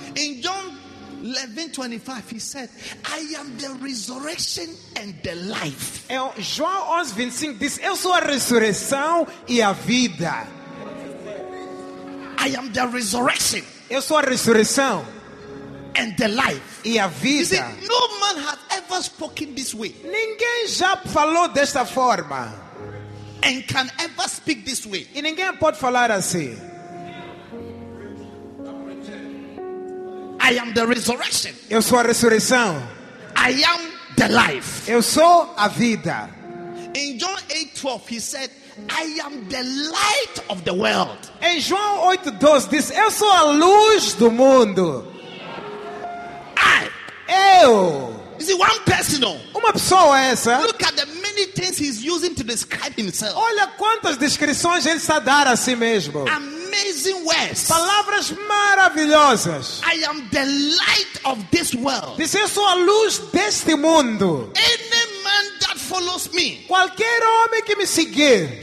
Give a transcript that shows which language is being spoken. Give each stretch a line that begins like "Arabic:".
English: In John 11:25, he said, I am the resurrection and the life.
Portuguese: Em João 11:25 diz, eu sou a ressurreição e a vida.
English: I am the resurrection.
Portuguese: Eu sou a ressurreção
English: and the life.
Portuguese: E a vida.
English: You see, no man has ever spoken this way.
Portuguese: Ninguém já falou desta forma.
English: And can ever speak this way.
Portuguese: E ninguém pode falar assim.
English: I am the resurrection.
Portuguese: Eu sou a ressurreição.
English: I am the life.
Portuguese: Eu sou a vida.
English: In John 8:12, he said, I am the light of the world.
Portuguese: Em João 8:12, diz, eu sou a luz do mundo.
English: I.
Portuguese: Eu.
English: Is it one personal?
Portuguese: Uma pessoa essa.
English: Look at the many things he's using to describe himself.
Portuguese: Olha quantas descrições ele está a dar a si mesmo.
English: Amazing words.
Portuguese: Palavras maravilhosas.
English: I am the light of this world.
Portuguese: Diz, eu sou a luz deste mundo.
English: Any man that follows me,
Portuguese: qualquer homem que me seguir,